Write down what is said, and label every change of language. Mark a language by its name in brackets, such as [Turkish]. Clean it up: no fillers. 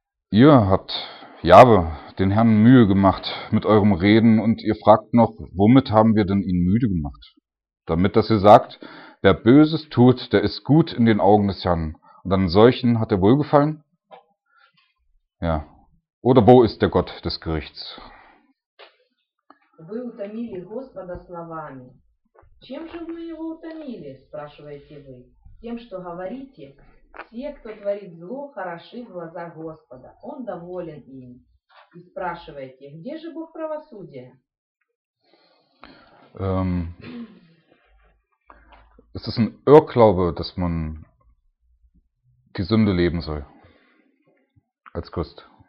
[German] Ihr habt, Jahwe, den Herrn Mühe gemacht mit eurem Reden und ihr fragt noch, womit haben wir denn ihn müde gemacht? Damit, dass ihr sagt, wer Böses tut, der ist gut in den Augen des Herrn. Und an solchen hat er wohlgefallen? Ja. Oder wo ist der Gott des Gerichts? [Russian] Вы утомили Господа словами. Чем же вы его утомили, спрашиваете вы? Тем, что говорите, все, кто творит зло, хороши в глазах Господа. Он доволен им. И спрашиваете, где же Бог правосудия? [German] Ist es ein Irrglaube, dass man die Sünde leben soll als Christ?